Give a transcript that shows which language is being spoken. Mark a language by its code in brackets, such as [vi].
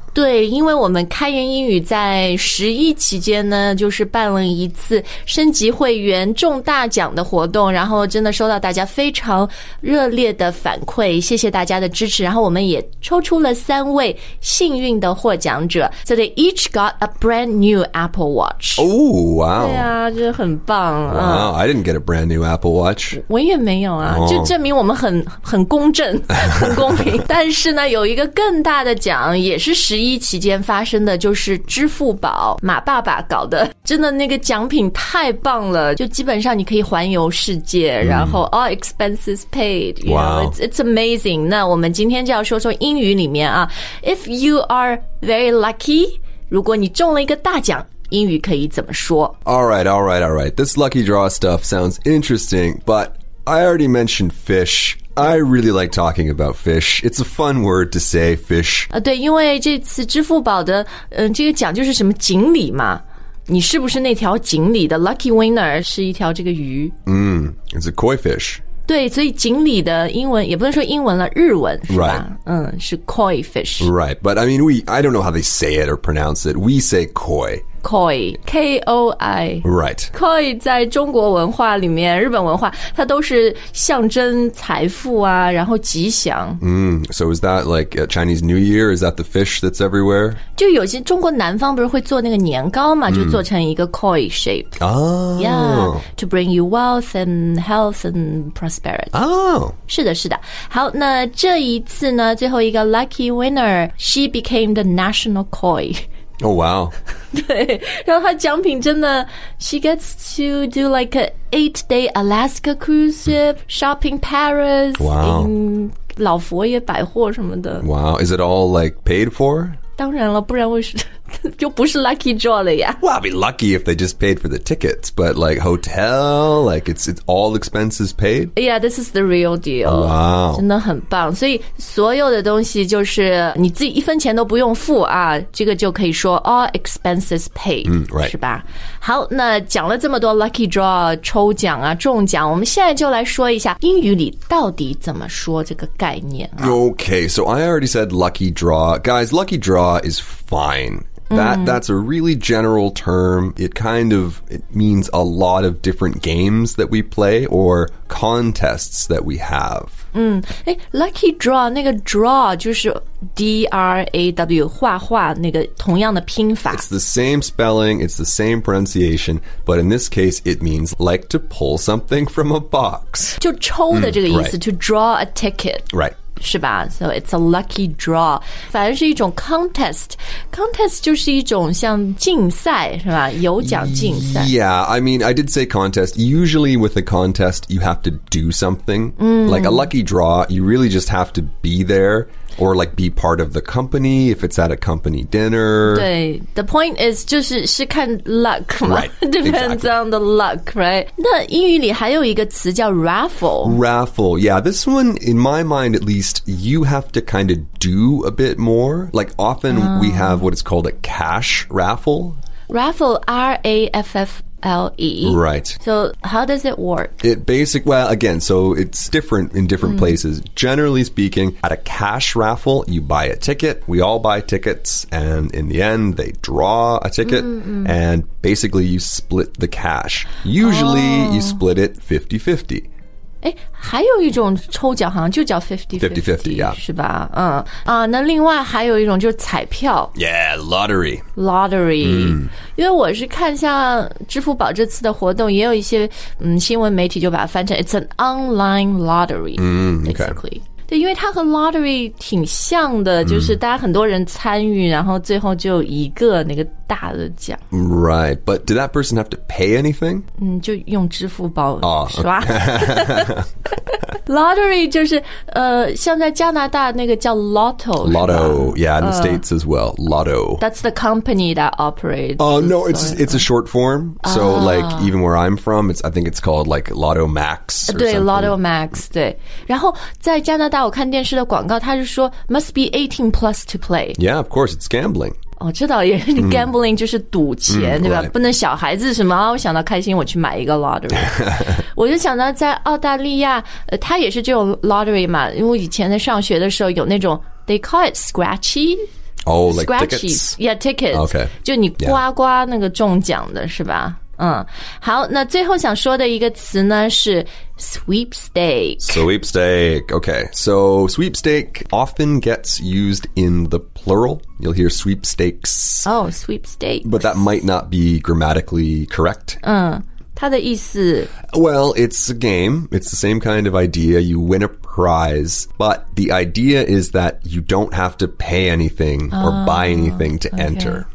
[zh] 对，因为我们开源英语在11期间呢，就是办了一次升级会员中大奖的活动，然后真的收到大家非常热烈的反馈，谢谢大家的支持，然后我们也抽出了三位幸运的获奖者。 [en] So they each got a brand new Apple Watch. Oh, wow. [zh] 对啊，这很棒啊。 [en] Wow, I didn't get a brand new Apple Watch. [zh] 我也没有啊，就证明我们很公正，很公平。但是呢，有一个更大的奖，也是10一期间发生的，就是支付宝马爸爸搞的，真的那个奖品太棒了，就基本上你可以环游世界，然后 [en] all expenses paid, you know, it's amazing. [zh] 那我们今天就要说说英语里面啊， [en] if you are very lucky, [zh] 如果你中了一个大奖，英语可以怎么说？ [en] All right. This lucky draw stuff sounds interesting, but I already mentioned fish. I really like talking about fish. It's a fun word to say, fish. [zh] 对，因为这次支付宝的这个奖就是什么锦鲤嘛。你是不是那条锦鲤的 lucky winner 是一条这个鱼？ [en] It's a koi fish. [zh] 对，所以锦鲤的英文，也不能说英文了，日文是吧？ [en] Right. 是 koi fish. Right, but I mean, I don't know how they say it or pronounce it. We say koi. Koi, K-O-I. Right. [zh] Koi 在中国文化里面，日本文化，它都是象征财富啊，然后吉祥。 [en] So is that like a Chinese New Year? Is that the fish that's everywhere? [zh] 就有些中国南方不是会做那个年糕嘛，就做成一个 koi shape. [en] Oh. Yeah, to bring you wealth and health and prosperity. Oh. [zh] 是的，是的。好，那这一次呢，最后一个 [en] lucky winner, she became the national koi. Oh, wow. [zh] 对，然后他奖品真的 [en] she gets to do like an 8-day Alaska cruise ship, shopping Paris, in [zh] 老佛爷百货什么的。 [en] Wow, is it all like paid for? [zh] 当然了，不然为什么就不是 lucky draw 了呀。 [en] Well, I'd be lucky if they just paid for the tickets, but like hotel, like it's all expenses paid. Yeah, this is the real deal. Oh, wow. [zh] 真的很棒。所以所有的东西就是你自己一分钱都不用付啊，这个就可以说 [en] all expenses paid, right. [zh] 是吧？好，那讲了这么多 lucky draw, 抽奖啊，中奖，我们现在就来说一下英语里到底怎么说这个概念啊。 [en] Okay, so I already said lucky draw. Guys, lucky draw is fine. That's a really general term. It means a lot of different games that we play or contests that we have. [zh] Lucky draw, 那个 draw 就是 D-R-A-W, 画画那个同样的拼法。 [en] It's the same spelling, it's the same pronunciation, but in this case, it means like to pull something from a box. [zh] 就抽的这个意思, [en] to draw a ticket. Right. [zh] 是吧 [en] ？So it's a lucky draw. [zh] 反而是一种 contest. Contest 就是一种像竞赛，是吧？有奖竞赛。 [en] Yeah, I mean, I did say contest. Usually, with a contest, you have to do something. Like a lucky draw, you really just have to be there. Or like be part of the company if it's at a company dinner. [zh] 对 ， [en] the point is [zh] 就是看 luck 嘛 [en] right, depends、 exactly. on the luck, right? [zh] 那英语里还有一个词叫 raffle. [en] Raffle, yeah. This one, in my mind at least, you have to kind of do a bit more. Like often we have what is called a cash raffle. Raffle, R-A-F-F-L-E. Right. So how does it work? So it's different in different places. Generally speaking, at a cash raffle, you buy a ticket. We all buy tickets. And in the end, they draw a ticket. And basically, you split the cash. Usually, you split it 50-50. [zh] 还有一种抽奖好像就叫 50-50, [en] yeah. [zh] 是吧？那另外还有一种就是彩票。 [en] Yeah, lottery. Lottery. [zh] 因为我是看像支付宝这次的活动，也有一些新闻媒体就把它翻成 [en] It's an online lottery, basically. [zh] 对，因为它和 lottery 挺像的，就是大家很多人参与，然后最后就一个那个大的奖。 [en] Right, but did that person have to pay anything? [zh] 就用支付宝刷。 [en] Oh, okay. [zh] Lottery 就是像在加拿大那个叫 Lotto [en] Lotto Yeah in the States as well Lotto That's the company that operates No it's a short form So like even where I'm from it's, I think it's called like Lotto Max [zh] 对 Lotto Max 对然后在加拿大我看电视的广告它是说 [en] Must be 18 plus to play Yeah of course it's gambling [zh] 哦，这倒也是 gambling 就是赌钱，对吧？ [en] Right. [zh] 不能小孩子什么啊？我想到开心，我去买一个 lottery。我就想到在澳大利亚，它也是这种 lottery 嘛。因为以前在上学的时候，有那种 [en] they call it scratchy。 Oh, like scratchy. Tickets? Yeah, tickets. Okay. [zh] 就你刮刮那个中奖的是吧？ [en] Yeah. [zh] 嗯，好，那最后想说的一个词呢是 sweepstake. [en] Sweepstake. Okay. So sweepstake often gets used in the plural. You'll hear sweepstakes. Oh, sweepstake. But that might not be grammatically correct. [zh] 它的意思 [en] Well, it's a game. It's the same kind of idea. You win a prize. But the idea is that you don't have to pay anything or buy anything to enter.